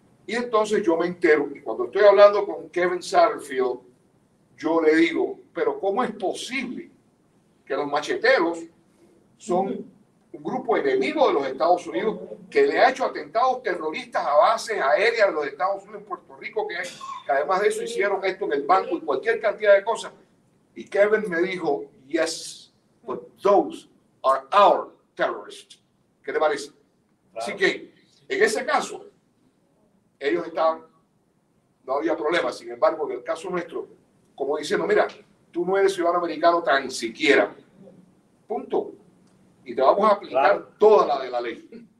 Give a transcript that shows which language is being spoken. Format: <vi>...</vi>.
<es>Y entonces yo me entero, y cuando estoy hablando con Kevin Satterfield, yo le digo, pero ¿cómo es posible que los macheteros son un grupo enemigo de los Estados Unidos que le ha hecho atentados terroristas a bases aéreas de los Estados Unidos en Puerto Rico, que además de eso hicieron esto en el banco y cualquier cantidad de cosas? Y Kevin me dijo,</es> <en>yes, but those are our terrorists.</en> <es>¿Qué te parece? Claro. Así que, en ese caso, ellos estaban, no había problema. Sin embargo, en el caso nuestro, como diciendo, mira, tú no eres ciudadano americano tan siquiera. Punto. Y te vamos a aplicar claro, toda la de la ley.</es>